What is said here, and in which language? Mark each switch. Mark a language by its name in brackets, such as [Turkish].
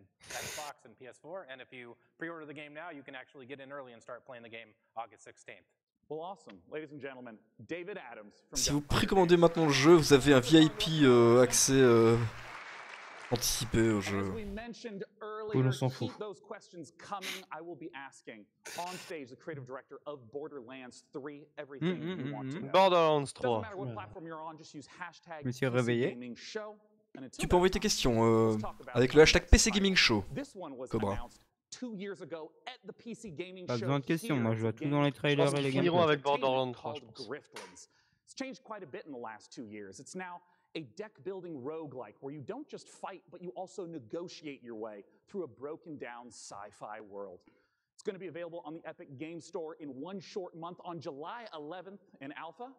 [English] Xbox and PS4, and if you pre-order the game now, you can actually get in early and start playing the game August 16th. Well, awesome, ladies and gentlemen, David Adams. [French] Si vous précommandez maintenant le jeu, vous avez un VIP accès anticipé au jeu. Oui, on s'en fout. [English] Those questions coming, I will be asking on stage the creative director of Borderlands 3 everything you want to know. Borderlands 3. Doesn't matter what platform you're on, just use hashtag PC Gaming Show. [French] Tu peux envoyer tes questions avec le hashtag PC Gaming Show, Cobra. Pas besoin de questions, moi je vois tout dans les trailers et les gameplays. Je finirons avec Borderlands 3, je pense. [English] It's changed quite a bit in the last two years. It's now a deck-building roguelike where you don't just fight, but you also negotiate your way through a broken-down sci-fi world. It's going to be available on the Epic Game Store in one short month on July 11th in Alpha.